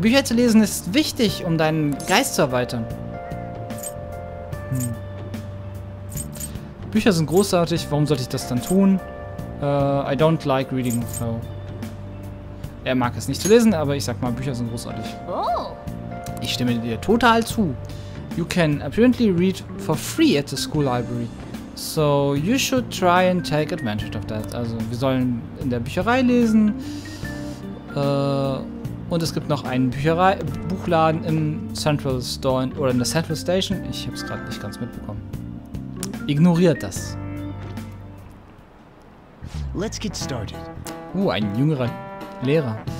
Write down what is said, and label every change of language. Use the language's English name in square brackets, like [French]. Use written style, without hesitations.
[German] Bücher zu lesen ist wichtig, um deinen Geist zu erweitern. Bücher sind großartig, warum sollte ich das dann tun? [English] I don't like reading, so. [German] Er mag es nicht zu lesen, aber ich sag mal, Bücher sind großartig. Oh. Ich stimme dir total zu. [English] You can apparently read for free at the school library. So you should try and take advantage of that. [German] Also wir sollen in der Bücherei lesen. Und es gibt noch einen Buchladen im Central Store oder in der Central Station. Ich habe es gerade nicht ganz mitbekommen. Ignoriert das. [English] Let's get started. [German] Ein jüngerer Lehrer.